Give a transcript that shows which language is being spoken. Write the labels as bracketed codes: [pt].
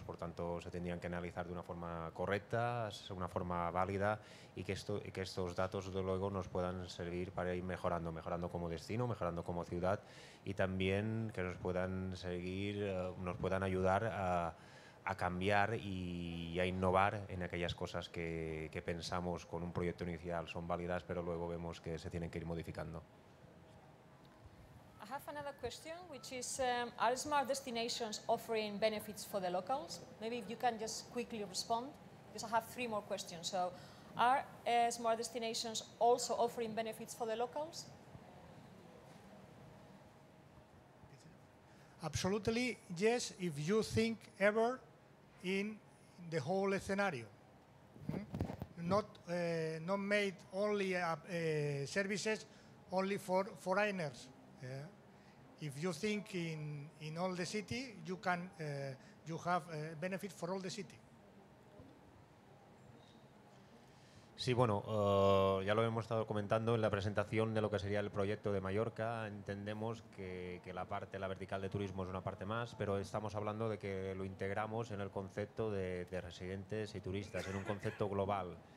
[es] Por tanto, se tendrían que analizar de una forma correcta, una forma válida y que estos datos de luego nos puedan servir para ir mejorando como destino, mejorando como ciudad y también que nos puedan seguir, nos puedan ayudar a cambiar y a innovar en aquellas cosas que pensamos con un proyecto inicial son válidas, pero luego vemos que se tienen que ir modificando. [en] I have another question, which is, are smart destinations offering benefits for the locals? Maybe if you can just quickly respond, because I have three more questions. So, are smart destinations also offering benefits for the locals? Absolutely, yes, if you think ever in the whole scenario, not made only services only for foreigners. If you think in all the city, you can you have benefit for all the city. [es] Sí, bueno, ya lo hemos estado comentando en la presentación de lo que sería el proyecto de Mallorca. Entendemos que la parte, la vertical de turismo es una parte más, pero estamos hablando de que lo integramos en el concepto de residentes y turistas, en un concepto global.